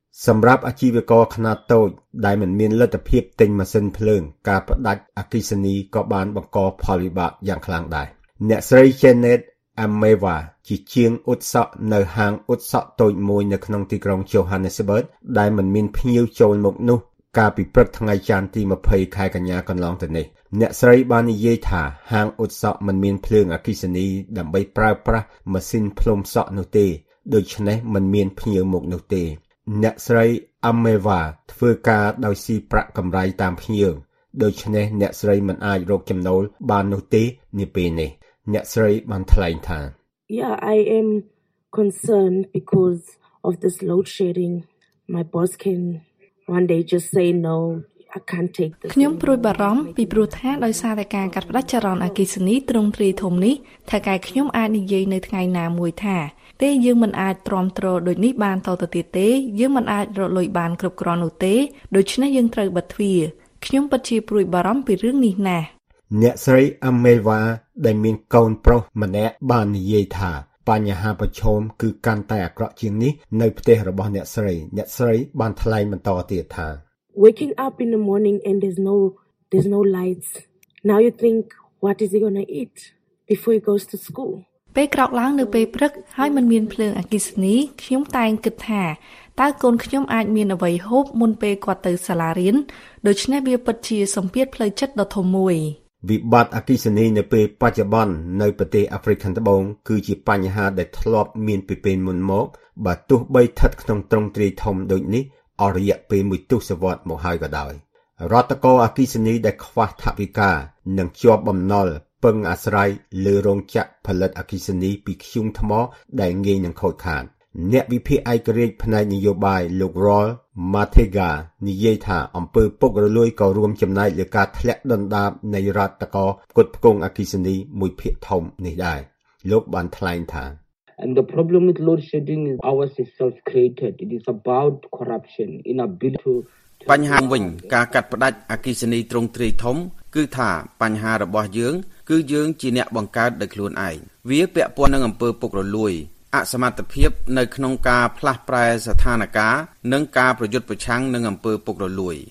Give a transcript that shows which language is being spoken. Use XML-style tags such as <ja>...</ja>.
<km>សម្រាប់អាជីវករខ្នាតតូចដែលមិនមានលទ្ធភាពទិញម៉ាស៊ីនភ្លើងការផ្ដាច់អគ្គិសនីក៏បានបង្កផលវិបាកយ៉ាងខ្លាំងដែរអ្នកស្រី Janet Ameva ជាជាងអ៊ុតសក់នៅហាងអ៊ុតសក់តូចមួយនៅក្នុងទីក្រុង Johannesburg ដែលមិនមានភ្ញៀវចូលមកនោះកាលពីព្រឹកថ្ងៃច័ន្ទទី20ខែកញ្ញាកន្លងទៅនេះអ្នកស្រីបាននិយាយថាហាងអ៊ុតសក់មិនមានភ្លើងអគ្គិសនីដើម្បីប្រើប្រាស់ម៉ាស៊ីនផ្លុំសក់នោះទេ ដូច្នេះមិនមានភ្ញៀវមកនោះទេអ្នកស្រី Ameva ធ្វើការដោយស៊ីប្រាក់កម្រៃតាមភ្ញៀវដូច្នេះអ្នកស្រីមិនអាចរកចំណូលបាននោះទេនាពេលនេះអ្នកស្រីបានថ្លែងថា</km> <en>Yeah I am concerned because of this load sharing my boss can one day just say no I can't take this</en> <km>ខ្ញុំព្រួយបារម្ភពីព្រោះថាដោយសារតែការកាត់ផ្ដាច់ចរន្តអគ្គិសនីត្រង់ទ្រីធំនេះថាកែខ្ញុំអាចនិយាយនៅថ្ងៃណាមួយថាតែយើងមិនអាចទ្រាំទ្រដូចនេះបានតទៅទៀតទេយើងមិនអាចរត់លុយបានគ្រប់គ្រាន់នោះទេដូច្នេះយើងត្រូវបិទទ្វារខ្ញុំពិតជាព្រួយបារម្ភពីរឿងនេះណាស់ អ្នកស្រីអមេវ៉ាដែលមានកូនប្រុសម្នាក់បាននិយាយថាបញ្ហាប្រឈមគឺកាន់តែអាក្រក់ជាងនេះនៅផ្ទះរបស់អ្នកស្រីអ្នកស្រីបានថ្លែងបន្តទៀតថា</km> <en>Waking up in the morning and there's no lights now you think what is he going to eat before he goes to school</en> <km>ពេលក្រោកឡើងនៅពេលព្រឹកហើយមិនមានភ្លើងអគ្គិសនីខ្ញុំតែងគិតថាតើកូនខ្ញុំអាចមានអ្វីហូបមុនពេលគាត់ទៅសាលារៀនដូច្នេះវាពិតជាសម្ពាធផ្លូវចិត្តដ៏ធំមួយ វិបត្តិអគ្គិសនីនៅពេលបច្ចុប្បន្ននៅប្រទេសអាហ្វ្រិកខាងត្បូងគឺជាបញ្ហាដែលធ្លាប់មានពីពេលមុនមកបើទោះបីស្ថិតក្នុងទ្រង់ទ្រាយធំដូចនេះអស់រយៈពេលមួយទសវត្សរ៍មកហើយក៏ដោយ រដ្ឋកោអគ្គិសនីដែលខ្វះថវិកានិងជាប់បំណុលពឹងអាស្រ័យលើរោងចក្រផលិតអគ្គិសនីពីខ្ទង់ថ្មដែលងាយនឹងខូចខាតអ្នកវិភាគឯករាជ្យផ្នែកនយោបាយលោករ៉ាល់ម៉ាទេហ្កានិយាយថាអំពើពុករលួយក៏រួមចំណែកលើការធ្លាក់ដុនដាបនៃរដ្ឋកោផ្គត់ផ្គង់អគ្គិសនីមួយភាគធំនេះដែរលោកបានថ្លែងថា</km> <en>And the problem with load shedding is ours is self created it is about corruption in a bill to</en> <km>បញ្ហាវិញការកាត់ផ្ដាច់អគ្គិសនីត្រង់ទ្រីធំគឺថាបញ្ហារបស់យើងគឺយើងជាអ្នកបង្កើតដោយខ្លួនឯងវាពាក់ព័ន្ធនឹងអំពើពុករលួយអសមត្ថភាពនៅក្នុងការផ្លាស់ប្រែស្ថានភាពនិងការប្រយុទ្ធប្រឆាំងនឹងអំពើពុករលួយ</km>